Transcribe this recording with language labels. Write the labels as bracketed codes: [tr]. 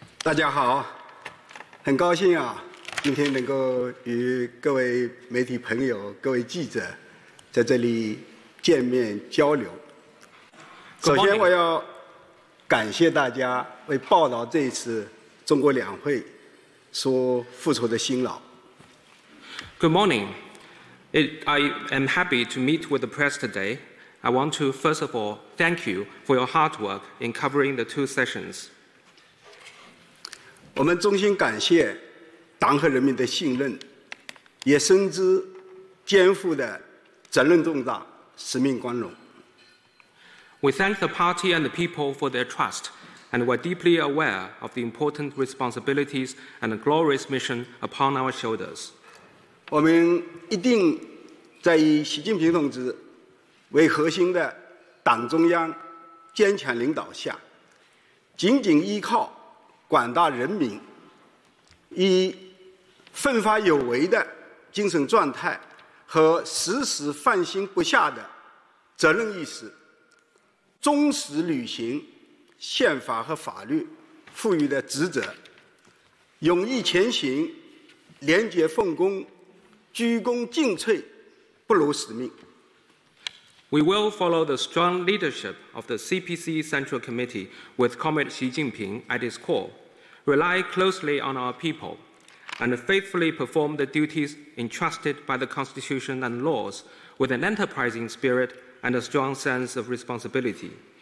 [zh] 大家好，很高兴啊，今天能够与各位媒体朋友、各位记者在这里见面交流。首先，我要感谢大家为报道这一次中国两会所付出的辛劳。 [en] Good morning. I am happy to meet with the press today. I want to first of all thank you for your hard work in covering the two sessions. [zh] 我们衷心感谢党和人民的信任，也深知肩负的责任重大，使命光荣。 [en] We thank the party and the people for their trust, and we're deeply aware of the important responsibilities and the glorious mission upon our shoulders. [zh] 我们一定在以习近平同志为核心的党中央坚强领导下，紧紧依靠广大人民，以奋发有为的精神状态和时时放心不下的责任意识，忠实履行宪法和法律赋予的职责，勇毅前行，廉洁奉公，鞠躬尽瘁，不辱使命。 [en] We will follow the strong leadership of the CPC Central Committee with Comrade Xi Jinping at its core. Rely closely on our people, and faithfully perform the duties entrusted by the Constitution and laws with an enterprising spirit and a strong sense of responsibility.